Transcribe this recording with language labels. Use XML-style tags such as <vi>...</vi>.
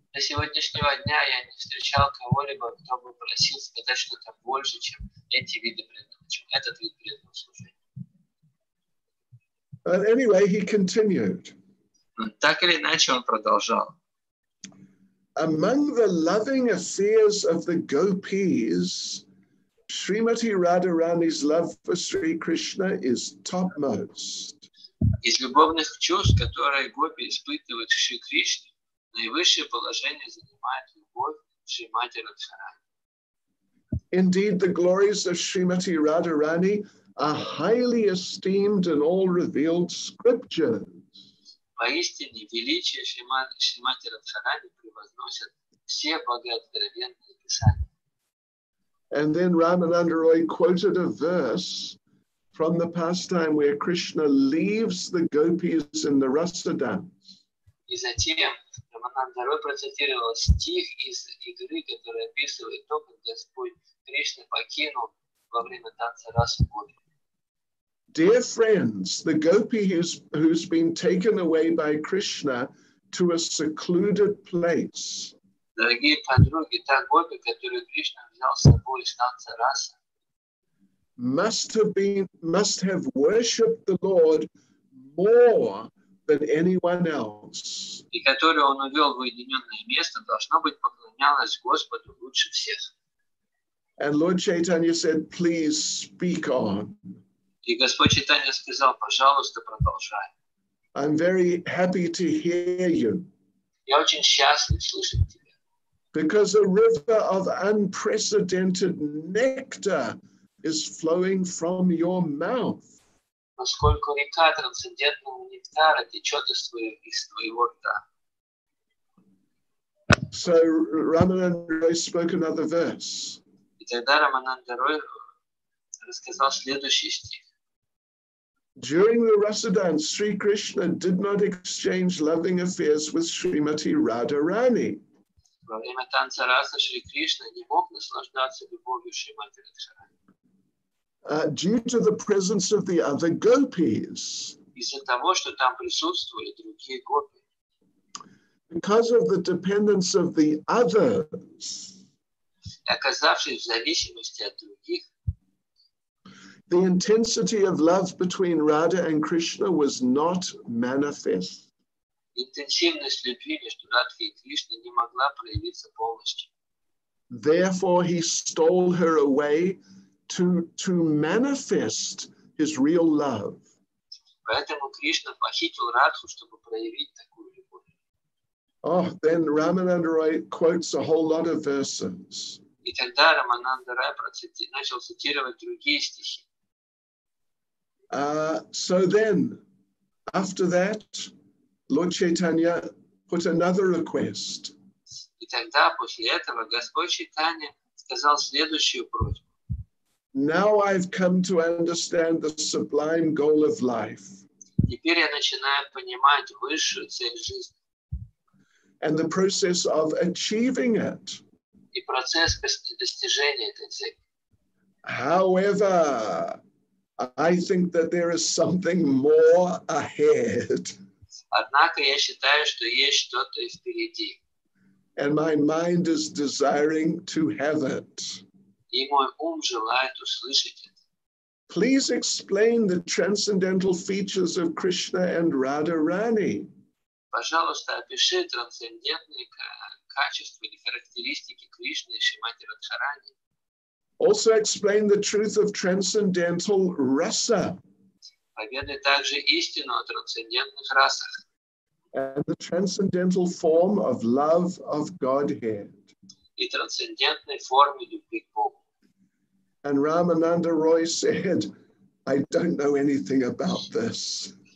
<ru>До сегодняшнего дня я не встречал кого-либо, кто бы просил сказать что-то больше, чем эти виды преданного, этот вид преданного служения.</ru> <en>But anyway, he continued.</en> <ru>Так или иначе, он продолжал.</ru> <en>Among the loving affairs of the gopis, Srimati Radharani's love for Sri Krishna is topmost.</en> <ru>Из любовных чувств, которые гопи испытывают к Шри Кришне, наивысшее положение занимает любовь Шримати Радхарани.</ru> <en>Indeed, the glories of Srimati Radharani are highly esteemed in all revealed scriptures.</en> <ru>Поистине, величие Шримати Радхарани превозносят все боги откровенные писания.</ru> <en>And then Ramananda Roy quoted a verse from the pastime where Krishna leaves the gopis in the rasa dance.</en> <ru>И затем Рамананда Рой процитировал стих из игры, который описывает то, как Господь Кришна покинул во время танца расы.</ru> <en>Dear friends, the gopi who's been taken away by Krishna to a secluded place.</en> <ru>Дорогие подруги, та гопи, которую Кришна взял с собой из танца раса,</ru> <en>must have worshipped the Lord more than anyone else.</en> <ru>И которую он увел в уединенное место, должно быть, поклонялась Господу лучше всех.</ru> <en>And Lord Chaitanya said, please speak on.</en> <ru>И Господь Чайтанья сказал, пожалуйста, продолжай.</ru> <en>I'm very happy to hear you.</en> <ru>Я очень счастлив слышать тебя.</ru> <en>Because a river of unprecedented nectar is flowing from your mouth.</en> <ru>Поскольку река трансцендентного нектара течет из твоего рта.</ru> <en>So Ramananda Roy spoke another verse.</en> <ru>И тогда Рамананда Рой рассказал следующий стих.</ru> <en>During the rasa dance, Sri Krishna did not exchange loving affairs with Srimati Radharani.</en> <ru>Во время танца раса Шри Кришна не мог наслаждаться любовью Шримати Радхарани.</ru> <en>Due to the presence of the other gopis.</en> <ru>Из-за того, что там присутствовали другие гопи.</ru> <en>Because of the dependence of the others.</en> <ru>Оказавшись в зависимости от других.</ru> <en>The intensity of love between Radha and Krishna was not manifest.</en> <ru>Интенсивность любви между Радхой и Кришной не могла проявиться полностью.</ru> <en>Therefore, he stole her away to manifest his real love.</en> <ru>Поэтому Кришна похитил Радху, чтобы проявить такую любовь.</ru> <en>Oh, then Ramananda Roy quotes a whole lot of verses.</en> <ru>И тогда Рамананда Рой начал цитировать другие стихи.</ru> <en>So then, after that, Lord Chaitanya put another request.</en> <ru>И тогда, после этого, Господь Чайтанья сказал следующую просьбу.</ru> <en>Now I've come to understand the sublime goal of life.</en> <ru>Теперь я начинаю понимать высшую цель жизни.</ru> <en>And the process of achieving it.</en> <ru>И процесс достижения этой цели.</ru> <en>However, I think that there is something more ahead.</en> <ru>Однако я считаю, что есть что-то впереди.</ru> <en>And my mind is desiring to have it.</en> <ru>И мой ум желает услышать это.</ru> <en>Please explain the transcendental features of Krishna and Radharani.</en> <ru>Пожалуйста, опиши трансцендентные качества или характеристики Кришны и Шримати Радхарани.</ru> <en>Also explain the truth of transcendental rasa.</en> <ru>Поведай также истину о трансцендентных расах.</ru> <en>And the transcendental form of love of Godhead.</en> <ru>И трансцендентной формы любви к Богу.</ru> <en>And Ramananda Roy said, I don't know anything about this.</en>